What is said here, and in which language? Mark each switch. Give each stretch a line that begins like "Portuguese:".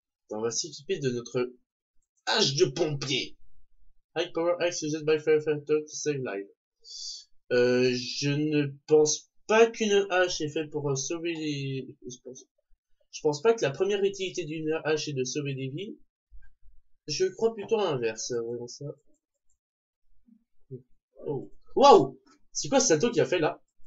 French: On va s'équiper de notre hache de pompier!
English: High power axe used by firefighter to save life.
French: Je ne pense pas qu'une hache est faite pour sauver les. Je pense pas que la première utilité d'une hache est de sauver des vies. Je crois plutôt à l'inverse, voyons ça. Oh. Wow! C'est quoi ce salto qui a fait là?